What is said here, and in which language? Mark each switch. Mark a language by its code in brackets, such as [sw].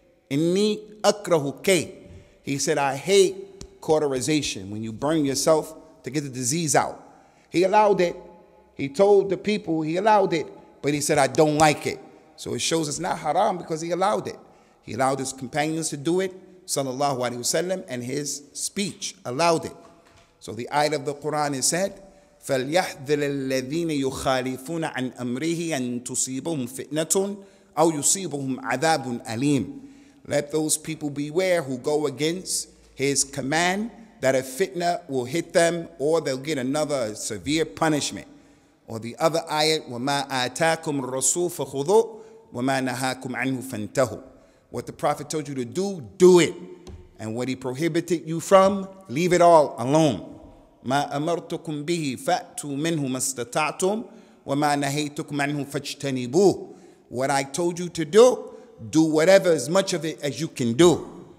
[ar] Inni akrahu al-kay. [en] He said, I hate cauterization, when you burn yourself to get the disease out. He allowed it. He told the people he allowed it, but he said, I don't like it. So it shows it's not haram because he allowed it. He allowed his companions to do it, sallallahu alayhi wa sallam, and his speech allowed it. So the ayat of the Quran is said, [ar] فَلْيَحْذِرَ الَّذِينَ يُخَالِفُونَ عَنْ أَمْرِهِ أَنْ تُصِيبُهُمْ فِتْنَةٌ أَوْ يُصِيبُهُمْ عَذَابٌ أَلِيمٌ. [en] Let those people beware who go against his command, that a fitna will hit them or they'll get another severe punishment. Or the other ayat, [ar] وَمَا آتَاكُمْ الرَّسُولُ فَخُذُوا وَمَا نَهَاكُمْ عَنْهُ فَانْتَهُوا. [en] What the Prophet told you to do, do it. And what he prohibited you from, leave it all alone. [ar] مَا أَمَرْتُكُمْ بِهِ فَأْتُوا مِنْهُ مَا اسْتَطَعْتُمْ وَمَا نَهَيْتُكُمْ عَنْهُ فَاجْتَنِبُوهُ. [en] What I told you to do, do whatever, as much of it as you can do.